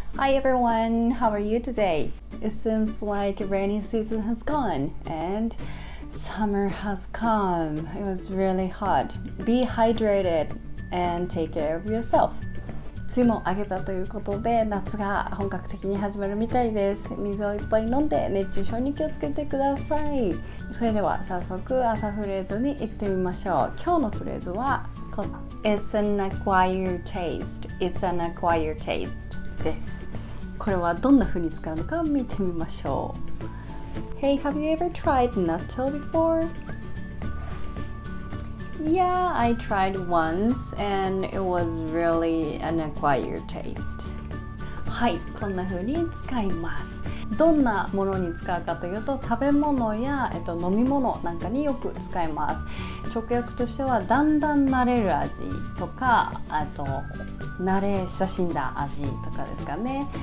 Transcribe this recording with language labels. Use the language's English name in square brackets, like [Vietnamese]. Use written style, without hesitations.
[English] Hi everyone, how are you today? It seems like rainy season has gone and summer has come. It was really hot. Be hydrated and take care of yourself. [Japanese] 水もあげたということで夏が本格的に始まるみたいです。水をいっぱい飲んで熱中症に気をつけてください。それでは早速朝フレーズに行ってみましょう。今日のフレーズは [English] It's an acquired taste. It's an acquired taste です。 [Japanese] これはどんな風に使うのか見てみましょう。 [English] Hey, have you ever tried natto before? Yeah, I tried once and it was really an acquired taste. [Japanese] はい、こんな風に使います。どんなものに使うかというと食べ物や、飲み物なんかによく使います。直訳としてはだんだん慣れる味とか、あと慣れ親しんだ味とかですかね。